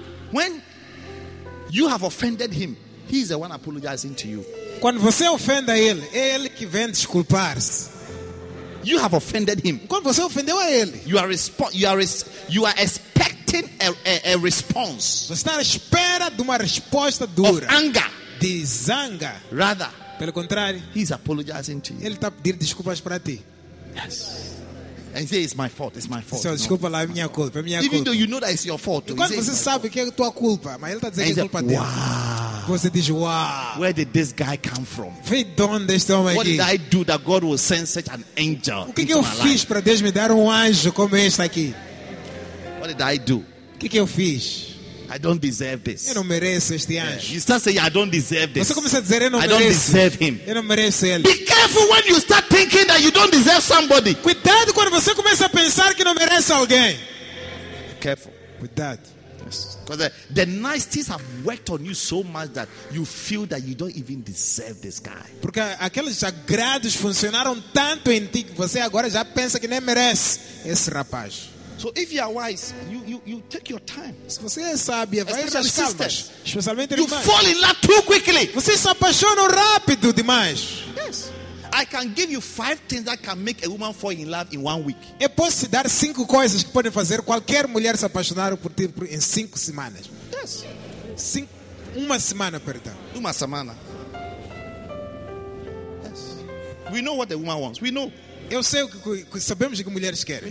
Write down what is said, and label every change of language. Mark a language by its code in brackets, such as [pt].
[en] When you have offended him, he is the one apologizing to you. [pt] Quando você ofende ele, é ele que vem desculpar-se. [en] You have offended him. [pt] Você ofendeu a ele. [en] You are expecting a response. [pt] Você está à espera de uma resposta dura. [en] Of anger. [pt] De zanga. [en] Rather. [pt] Pelo contrário. [en] He's apologizing to you. [pt] Ele está a pedir desculpas para ti. [en] Yes. And say it's my fault. It's my fault. [pt] So, desculpa lá, minha culpa. Minha [en] Even [pt] culpa. [en] Though you know that it's your fault. [pt] Quando você sabe que é tua culpa, mas ele está a dizer que é culpa dele. Você diz, wow. [en] Where did this guy come from? This what did I do that God will send such an angel? [pt] O que eu fiz para Deus me dar anjo como este aqui? [en] What did I do? [pt] O que eu fiz? [en] I don't deserve this. [pt] Eu não mereço este anjo. [en] You start saying, I don't deserve this. [pt] Você começa a dizer, eu não mereço. [en] I don't deserve him. [pt] Eu não mereço ele. [en] Be careful when you start thinking that you don't deserve somebody. [pt] Cuidado quando você começa a pensar que não merece alguém. [en] Be careful. [pt] Cuidado. [en] Because the niceties have worked on you so much that you feel that you don't even deserve this guy. [pt] Porque aqueles agrados funcionaram tanto em ti que você agora já pensa que nem merece esse rapaz. [en] So if you are wise, you take your time. [pt] Se você é sábia, vai às calmas. Especialmente irmãs. [en] You fall in love too quickly. [pt] Você se apaixona rápido demais. [en] Yes. I can give you 5 things that can make a woman fall in love in 1 week. [pt] Eu posso te dar 5 coisas que podem fazer qualquer mulher se apaixonar por ti em 5 semanas. [en] Yes. [pt] Uma semana, perdão. Uma semana. [en] Yes. We know what a woman wants. We know. [pt] Eu sei o que sabemos que mulheres querem.